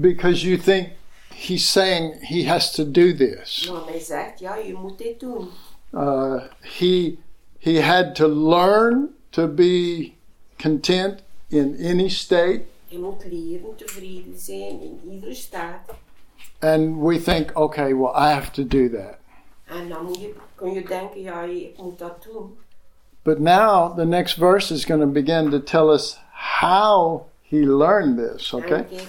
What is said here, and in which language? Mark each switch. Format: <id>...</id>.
<en>Because you think he's saying he has to do this.</en> <nl>Want hij zegt, ja, je moet dit doen.</nl> <en>He had to learn to be content in any state.</en> <nl>Je moet leren tevreden zijn in iedere staat.</nl> <en>And we think, okay, well, I have to do that.</en> <nl>En dan kun je denken, ja, ik moet dat doen.</nl> <en>But now the next verse is going to begin to tell us how he learned this, okay?</en>